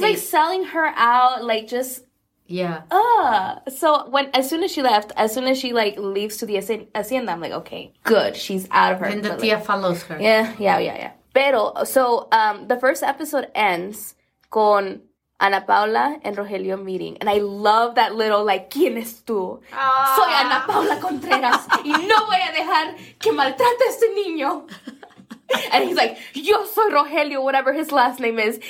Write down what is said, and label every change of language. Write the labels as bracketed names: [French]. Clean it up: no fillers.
[English] like selling her out, like just. Yeah. So as soon as she leaves to the hacienda, I'm like, okay, good. She's out of her. And the tía follows her. Yeah. [Spanish] Pero, [English] so the first episode ends [Spanish] con [English] Ana Paula and Rogelio meeting. And I love that little, like, [Spanish] ¿quién es tú? Soy Ana Paula Contreras. Y no voy a dejar que maltrate a este niño. [English] And he's like, [Spanish] yo soy Rogelio, [English] whatever his last name is.